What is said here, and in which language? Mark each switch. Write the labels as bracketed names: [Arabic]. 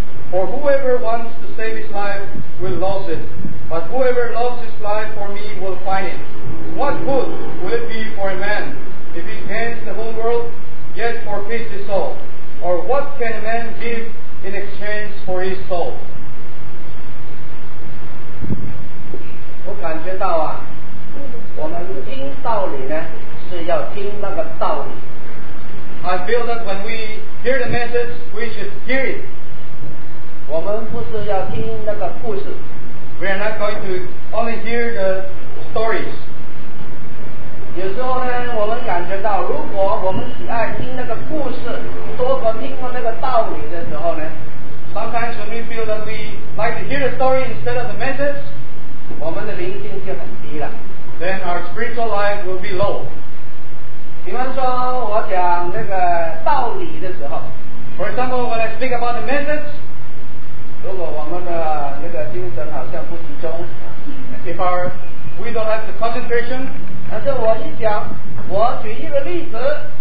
[English] For whoever wants to save his life will lose it, but whoever loses his life for me will find it. What good will it be for a man if he gains the whole world, yet forfeits his soul? Or what can a man give in exchange for his soul?" [Chinese] 我感觉到啊, 我们听道理呢, 是要听那个道理。 [English] I feel that when we hear the message, we should hear it. [Chinese] 我们不是要听那个故事, [English] we are not going to only hear the stories. [Chinese] 有时候呢, 我们感觉到, 如果我们只爱听那个故事, 多过听过那个道理的时候呢, [English] sometimes when we feel that we like to hear the story instead of the message, [Chinese] 我们的灵性就很低了, [English] then our spiritual life will be low. [Chinese] 比方说我讲那个道理的时候, [English] for example, when I speak about the message, [Chinese] 如果我们的那个精神好像不集中, [English] if our, we don't have the concentration, [Chinese] 但是我一讲, 我举一个例子,